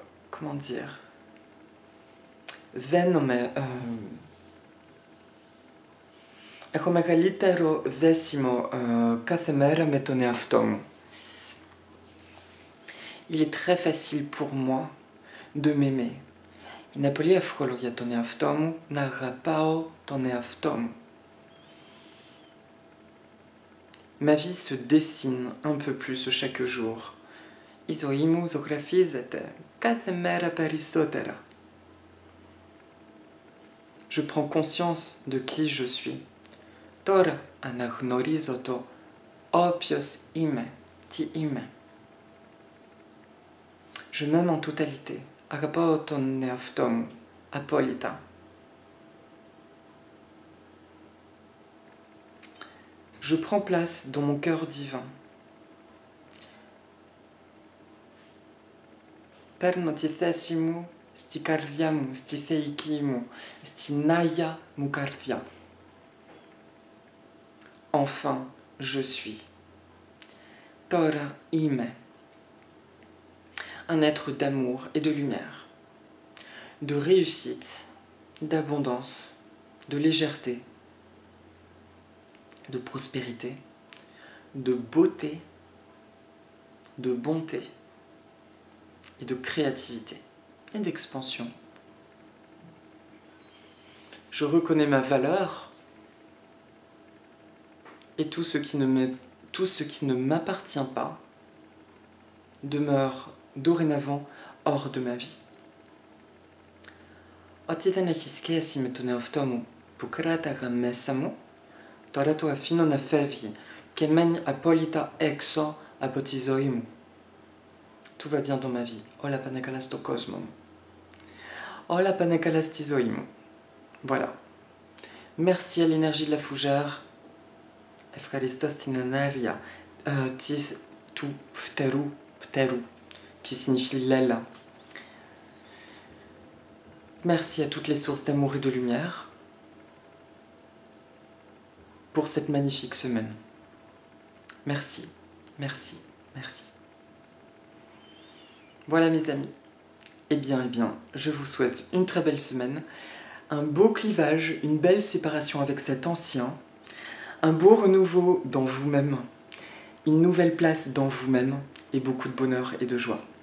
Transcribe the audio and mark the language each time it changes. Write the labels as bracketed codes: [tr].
[fr] Comment dire. Venome. [el] Echo megalitero décimo kathemera metone aftom. [fr] Il est très facile pour moi de m'aimer. [el] Είναι πολύ εύκολο για τον εαυτό μου να αγαπάω τον εαυτό μου. [fr] Ma vie se dessine un peu plus chaque jour. [el] Η ζωή μου ζωγραφίζεται κάθε μέρα περισσότερα. [fr] Je prends conscience de qui je suis. [el] Τώρα αναγνωρίζω το όποιος είμαι, τι είμαι. [fr] Je m'aime en totalité. [el] Αγαπάω τον εαυτό μου, απόλυτα. [fr] Je prends place dans mon cœur divin. [el] Παίρνω τη θέση μου στη καρδιά μου, στη θεϊκή μου, στην άγια μου καρδιά. [fr] Enfin, je suis. [el] Τώρα είμαι. [fr] Un être d'amour et de lumière, de réussite, d'abondance, de légèreté, de prospérité, de beauté, de bonté, et de créativité et d'expansion. Je reconnais ma valeur et tout ce qui ne m'appartient pas demeure dorénavant hors de ma vie. [el] Ότι δεν έχεις σχέση με τον εαυτό μου που κράταγα μέσα μου, τώρα το αφήνω να φεύγει και μένει απόλυτα έξω από τη ζωή μου. [fr] Tout va bien dans ma vie. [el] Όλα πάνε καλά στο κόσμο μου. Όλα πάνε καλά στη ζωή μου. [fr] Voilà. Merci à l'énergie de la fougère. [el] Ευχαριστώ στην ενέργεια της του φτερού, [fr] qui signifie l'aile. Merci à toutes les sources d'amour et de lumière pour cette magnifique semaine. Merci, merci, merci. Voilà mes amis. Eh bien, je vous souhaite une très belle semaine, un beau clivage, une belle séparation avec cet ancien, un beau renouveau dans vous-même, une nouvelle place dans vous-même et beaucoup de bonheur et de joie.